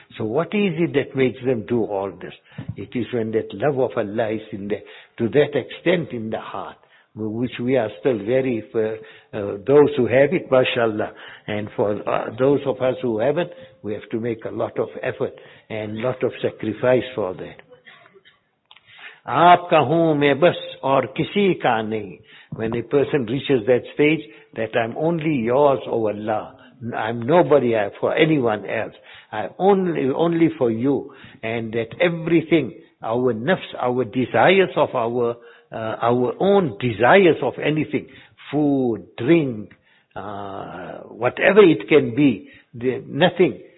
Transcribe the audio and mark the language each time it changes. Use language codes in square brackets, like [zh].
[en] So what is it that makes them do all this? It is when that love of Allah is in there, to that extent in the heart, which we are still very, for those who have it, mashallah, and for those of us who haven't, we have to make a lot of effort and lot of sacrifice for that. [ur] آپ کا ہوں میں بس اور کسی کا نہیں. [en] When a person reaches that stage, that I'm only yours, O Allah. I'm nobody for anyone else. I only for you. And that everything, our nafs, our desires of our own desires of anything, food, drink, whatever it can be, nothing,